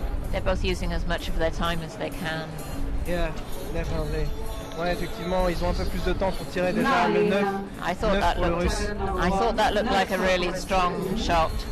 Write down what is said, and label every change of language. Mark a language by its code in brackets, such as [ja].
[en] They're both using as much of their time as they can. Yeah, definitely. [fr] Ouais, effectivement, ils ont un peu plus de temps pour tirer déjà le 9. [en] I thought that looked, I thought that looked like a really strong shot.